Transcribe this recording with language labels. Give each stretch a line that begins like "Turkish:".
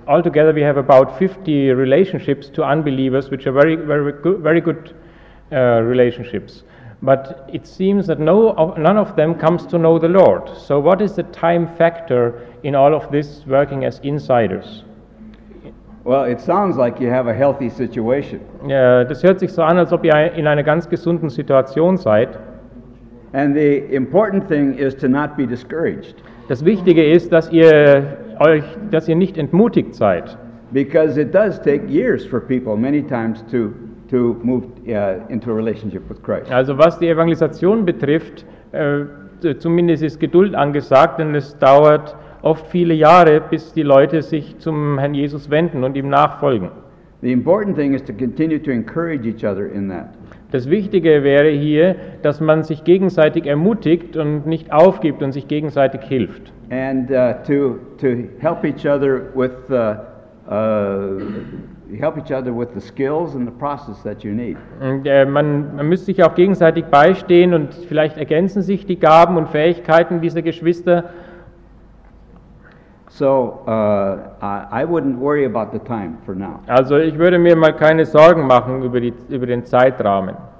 English: Altogether, we have about 50 relationships to unbelievers, which are very, very good, very good relationships. But it seems that none of them comes to know the Lord. So what is the time factor in all of this working as insiders? Well, it sounds like you have a healthy situation.
German: Yeah, das hört sich so an, als ob ihr in einer ganz gesunden Situation seid.
English: And the important thing is to not be discouraged.
German: Das Wichtige ist, dass ihr nicht entmutigt seid.
English: Because it does take years for people many times to move into a relationship with Christ.
German: Also was die Evangelisation betrifft, zumindest ist Geduld angesagt, denn es dauert oft viele Jahre, bis die Leute sich zum Herrn Jesus wenden und ihm nachfolgen.
English: The important thing is to continue to encourage each other in that.
German: Das Wichtige wäre hier, dass man sich gegenseitig ermutigt und nicht aufgibt und sich gegenseitig hilft.
English: And to help each other with the skills and the process that you need.
German: Man müsste sich auch gegenseitig beistehen und vielleicht ergänzen sich die Gaben und Fähigkeiten dieser Geschwister.
English: So I wouldn't worry about the time for now.
German: Also, ich würde mir mal keine Sorgen machen über die über den Zeitrahmen.